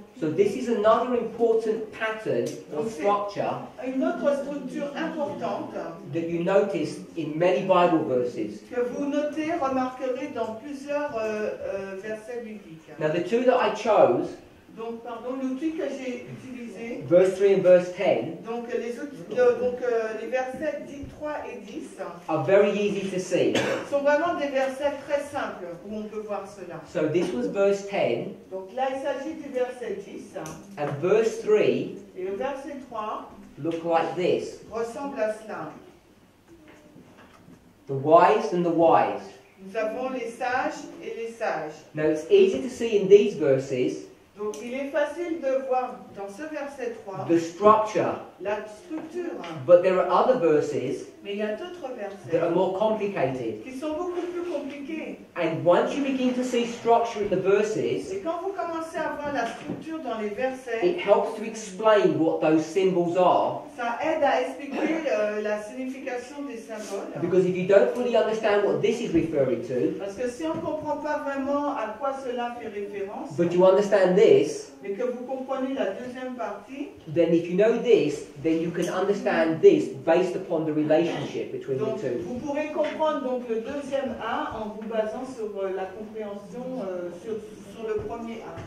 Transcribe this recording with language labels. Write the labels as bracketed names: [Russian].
[English] So this is another important pattern or structure. [French] Une autre structure importante. [English] That you notice in many Bible verses. [French] Que vous notez, remarquerez dans plusieurs versets bibliques. [English] Now the two that I chose. [French] Donc, pardon, l'outil que j'ai utilisé. [English] Verse 3 and verse 10. [French] Donc, les versets 3 et 10. [English] Are very easy to see. [French] Sont vraiment des versets très simples où on peut voir cela. [English] So, this was verse 10. [French] Donc, là, il s'agit du verset 10. [English] And verse 3. [French] Et le verset 3. [English] Look like this. [French] Ressemble à cela. [English] The wise and the wise. [French] Nous avons les sages et les sages. [English] Now, it's easy to see in these verses. [French] Donc, il est facile de voir dans ce verset 3 [English] the structure. [French] La structure. [English] But there are other verses. [French] Mais il y a d'autres versets [English] that are more complicated. [French] Qui sont beaucoup plus compliqués. [English] And once you begin to see structure in the verses, [French] et quand vous commencez à voir la structure dans les versets, [English] it helps to explain what those symbols are. [French] Ça aide à expliquer la signification des symboles. [English] Because if you don't fully understand what this is referring to, [French] parce que si on comprend pas vraiment à quoi cela fait référence, [English] but you understand this, this, [French] mais que vous comprenez la deuxième partie, [English] then if you know this, then you can understand this based upon the relationship between [French] donc, [English] the two. [French] Vous pourrez comprendre donc le deuxième A en vous basant sur la compréhension sur le premier A.